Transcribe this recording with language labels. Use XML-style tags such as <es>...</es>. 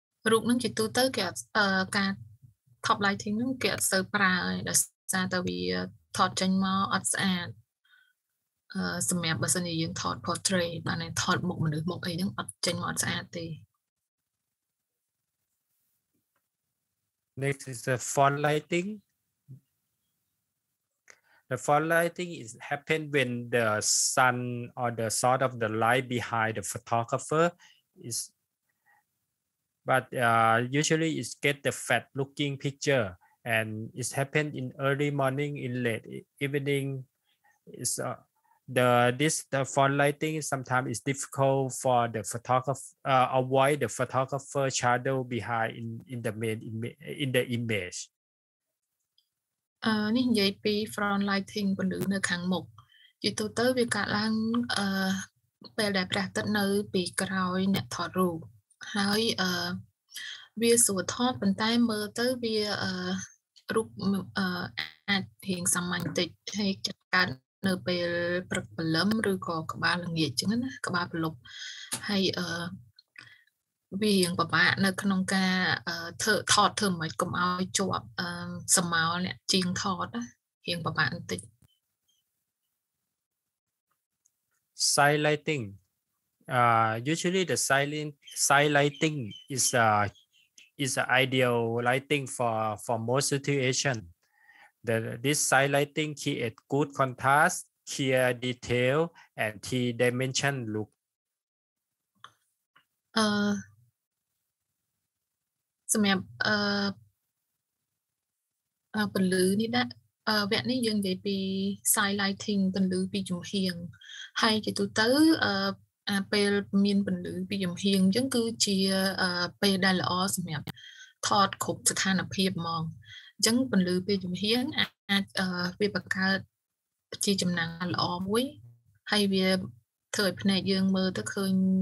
<km>រូបនឹងជាទូទៅគេការ top lighting នឹងគេអត់សូវប្រើឲ្យដោយសារតែវាថតចេញមកអត់ស្អាតសម្រាប់បើសិនជាយើងថត portrait បានថតមុខមនុស្សមុខអីហ្នឹងអត់ចេញមកអត់ស្អាតទេ</km> <en>Next is the front lighting The front lighting is happen when the sun or the sort of the light behind the photographer is but usually it's get the fat looking picture and it's happen in early morning in late evening is The front lighting sometimes is difficult for the photographer avoid the photographer shadow behind in the image.</en> <km>នេះនិយាយពី front lighting ពន្លឺនៅខាងមុខជាទូទៅវាកើតឡើងពេលដែលព្រះអាទិត្យនៅពីក្រោយអ្នកថតរូបហើយវាស្រួលថតប៉ុន្តែមើលទៅវារូបអាចរៀងសាមញ្ញតិចហើយចាត់ការនៅពេលព្រឹកព្រលឹមឬក៏ក្បាលល្ងាចអញ្ចឹងណាក្បាលព្រលប់ហើយ វារៀងពិបាកនៅក្នុងការធ្វើថតធ្វើមិនកុំឲ្យជាប់សមោលអ្នកជាងថតរៀងពិបាកបន្តិច</km> <en>Side lighting usually the side lighting is a ideal lighting for most situationThis side lighting create good contrast, clear detail, and three dimension look.</en> <km>សម្រាប់ពន្លឺនេះដែរវគ្គនេះយើងនិយាយពី side lighting ពន្លឺពីចំហៀងហើយជាទូទៅពេលមានពន្លឺពីចំហៀងអញ្ចឹងគឺជាពេលដែលល្អសម្រាប់ថតគ្រប់ស្ថានភាពហ្មងអញ្ចឹងពន្លឺពីចំហៀងអាចវាបង្កើតជាចំណាំងល្អមួយហើយវាធ្វើឲ្យភ្នែកយើងមើលទៅឃើញ</km>